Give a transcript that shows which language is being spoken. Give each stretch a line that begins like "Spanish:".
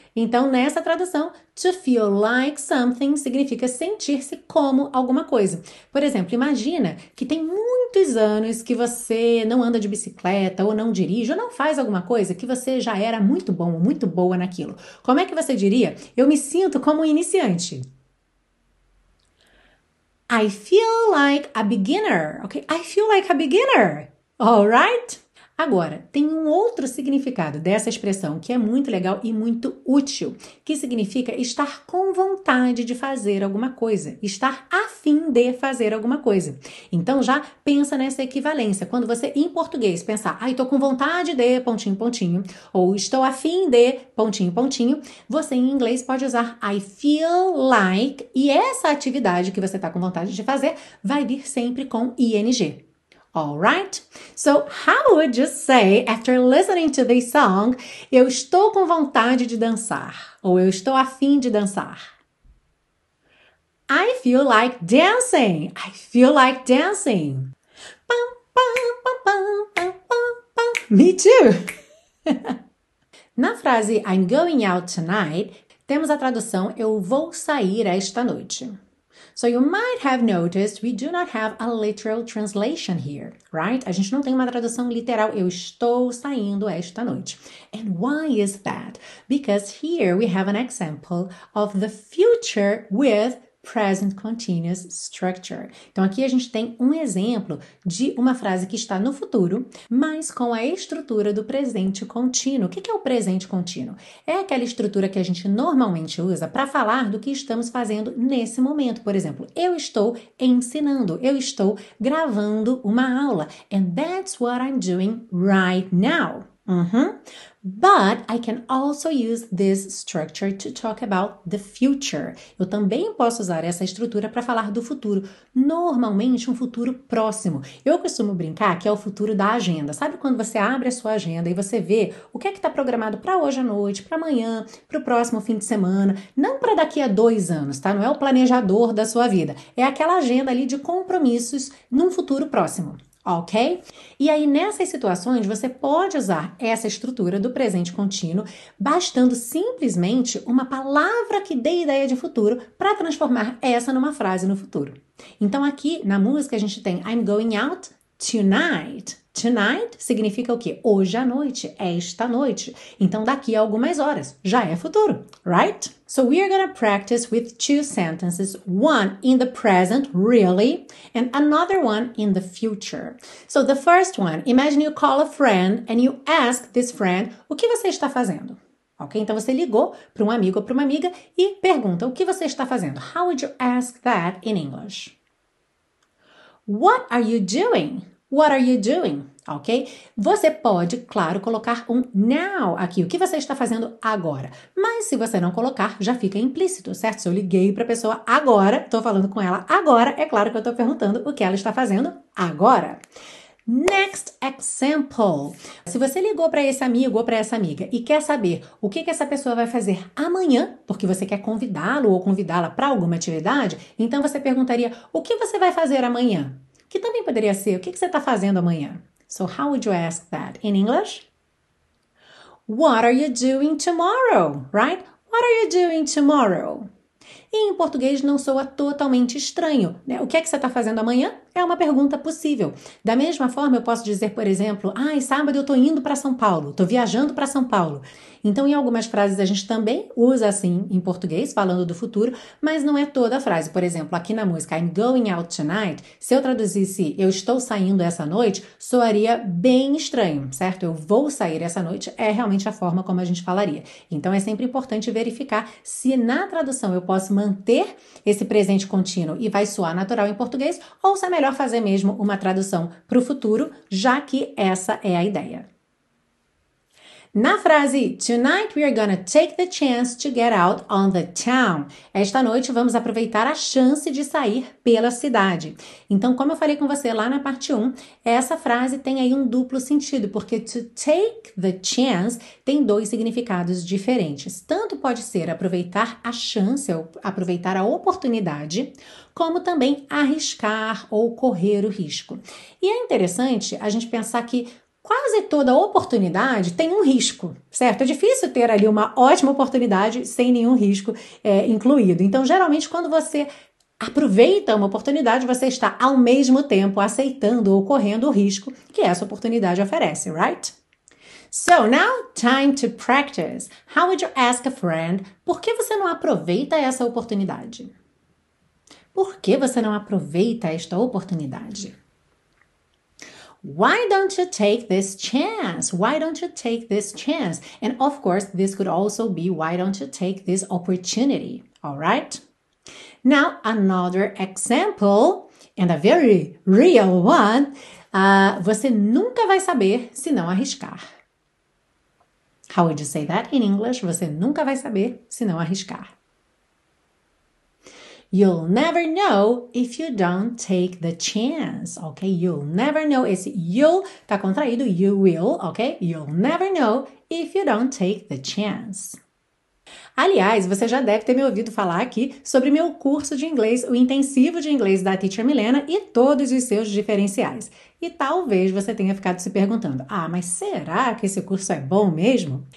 Portuguese: Então, nessa tradução,
English: to feel like something
Portuguese: significa sentir-se como alguma coisa. Por exemplo, imagina que tem muitos anos que você não anda de bicicleta, ou não dirige, ou não faz alguma coisa que você já era muito bom ou muito boa naquilo. Como é que você diria? Eu me sinto como um iniciante.
English: I feel like a beginner, ok? I feel like a beginner, all right?
Portuguese: Agora, tem um outro significado dessa expressão que é muito legal e muito útil, que significa estar com vontade de fazer alguma coisa, estar a fim de fazer alguma coisa. Então, já pensa nessa equivalência. Quando você, em português, pensar, ai, estou com vontade de, pontinho, pontinho, ou estou a fim de, pontinho, pontinho, você, em inglês, pode usar
English: I feel like,
Portuguese: e essa atividade que você está com vontade de fazer vai vir sempre com ing.
English: All right? So, how would you say, after listening to this song,
Portuguese: eu estou com vontade de dançar? Ou eu estou a fim de dançar?
English: I feel like dancing. I feel like dancing. Me too.
Portuguese: Na frase
English: I'm going out tonight,
Portuguese: temos a tradução eu vou sair esta noite.
English: So you might have noticed we do not have a literal translation here, right?
Portuguese: A gente não tem uma tradução literal, eu estou saindo esta noite.
English: And why is that? Because here we have an example of the future with present continuous structure.
Portuguese: Então, aqui a gente tem um exemplo de uma frase que está no futuro, mas com a estrutura do presente contínuo. O que é o presente contínuo? É aquela estrutura que a gente normalmente usa para falar do que estamos fazendo nesse momento. Por exemplo, eu estou ensinando, eu estou gravando uma aula.
English: And that's what I'm doing right now. But I can also use this structure to talk about the future.
Portuguese: Eu também posso usar essa estrutura para falar do futuro, normalmente um futuro próximo. Eu costumo brincar que é o futuro da agenda. Sabe quando você abre a sua agenda e você vê o que é que está programado para hoje à noite, para amanhã, para o próximo fim de semana, não para daqui a 2 anos, tá? Não é o planejador da sua vida. É aquela agenda ali de compromissos num futuro próximo. Ok? E aí, nessas situações, você pode usar essa estrutura do presente contínuo, bastando simplesmente uma palavra que dê ideia de futuro para transformar essa numa frase no futuro. Então, aqui na música, a gente tem
English: I'm going out tonight. Tonight
Portuguese: significa o quê? Hoje à noite, esta noite. Então, daqui a algumas horas, já é futuro,
English: right? So, we are gonna practice with 2 sentences. One in the present, really, and another one in the future. So, the first one, imagine you call a friend and you ask this friend,
Portuguese: o que você está fazendo?
English: Ok?
Portuguese: Então, você ligou para um amigo ou para uma amiga e pergunta, o que você está fazendo?
English: How would you ask that in English? What are you doing? What are you doing? Ok?
Portuguese: Você pode, claro, colocar um now aqui. O que você está fazendo agora? Mas se você não colocar, já fica implícito, certo? Se eu liguei para a pessoa agora, estou falando com ela agora, é claro que eu estou perguntando o que ela está fazendo agora.
English: Next example.
Portuguese: Se você ligou para esse amigo ou para essa amiga e quer saber o que essa pessoa vai fazer amanhã, porque você quer convidá-lo ou convidá-la para alguma atividade, então você perguntaria, o que você vai fazer amanhã? Que também poderia ser, o que você está fazendo amanhã?
English: So, how would you ask that in English? What are you doing tomorrow, right? What are you doing tomorrow?
Portuguese: E em português não soa totalmente estranho, né? O que você está fazendo amanhã? É uma pergunta possível. Da mesma forma, eu posso dizer, por exemplo, ai, sábado eu estou indo para São Paulo, estou viajando para São Paulo. Então, em algumas frases, a gente também usa assim em português, falando do futuro, mas não é toda a frase. Por exemplo, aqui na música,
English: I'm going out tonight,
Portuguese: se eu traduzisse eu estou saindo essa noite, soaria bem estranho, certo? Eu vou sair essa noite, é realmente a forma como a gente falaria. Então, é sempre importante verificar se na tradução eu posso manter esse presente contínuo e vai soar natural em português, ou se é melhor fazer mesmo uma tradução para o futuro, já que essa é a ideia. Na frase,
English: tonight we are gonna take the chance to get out on the town.
Portuguese: Esta noite vamos aproveitar a chance de sair pela cidade. Então, como eu falei com você lá na parte 1, essa frase tem aí um duplo sentido, porque
English: to take the chance
Portuguese: tem 2 significados diferentes. Tanto pode ser aproveitar a chance, ou aproveitar a oportunidade, como também arriscar ou correr o risco. E é interessante a gente pensar que quase toda oportunidade tem um risco, certo? É difícil ter ali uma ótima oportunidade sem nenhum risco incluído. Então, geralmente, quando você aproveita uma oportunidade, você está, ao mesmo tempo, aceitando ou correndo o risco que essa oportunidade oferece,
English: right? So, now, time to practice. How would you ask a friend,
Portuguese: por que você não aproveita essa oportunidade? Por que você não aproveita esta oportunidade?
English: Why don't you take this chance? Why don't you take this chance? And of course, this could also be why don't you take this opportunity, all right? Now, another example, and a very real one.
Portuguese: Você nunca vai saber se não arriscar.
English: How would you say that in English?
Portuguese: Você nunca vai saber se não arriscar.
English: You'll never know if you don't take the chance, ok? You'll never know,
Portuguese: esse
English: you'll
Portuguese: tá contraído,
English: you will, ok? You'll never know if you don't take the chance.
Portuguese: Aliás, você já deve ter me ouvido falar aqui sobre meu curso de inglês, o intensivo de inglês da Teacher Milena e todos os seus diferenciais. E talvez você tenha ficado se perguntando: ah, mas será que esse curso é bom mesmo?